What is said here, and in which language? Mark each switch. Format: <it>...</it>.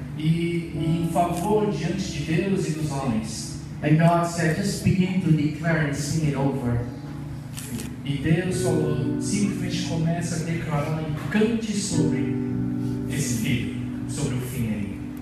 <pt>E em favor diante de Deus e dos homens.</pt> <en>And God said, just begin to declare and sing it over.</en> <pt>E Deus falou, simplesmente começa a declarar e cante sobre esse livro, sobre o fim aí.</pt>